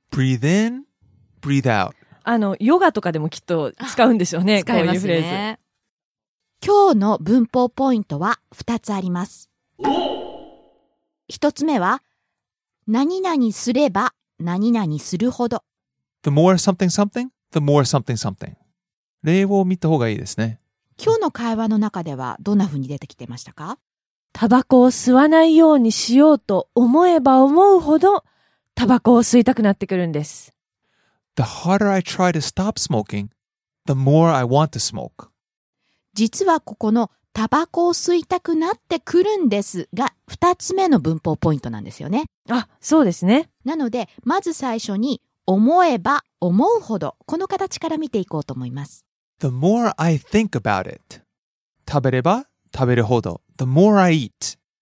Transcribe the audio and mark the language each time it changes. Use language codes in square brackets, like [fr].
[en] Breathe in, breathe out. [ja] あのヨガとかでもきっと使うんでしょうね。使いますね。こういうフレーズ。今日の文法ポイントは2つあります。1つ目は、何々すれば何々するほど。 [en] The more something something, the more something something. [ja] 例を見た方がいいですね。今日の会話の中ではどんな風に出てきてましたか？タバコを吸わないようにしようと思えば思うほど、タバコを吸いたくなってくるんです。 [en] The harder I try to stop smoking, the more I want to smoke. [ja] 実はここのタバコを吸いたくなってくるんですが、二つ目の文法ポイントなんですよね。あ、そうですね。なので、まず最初に、思えば思うほど、この形から見ていこうと思います。 [en] The more I think about it. [ja] 食べれば食べるほど。 [en] The more I eat.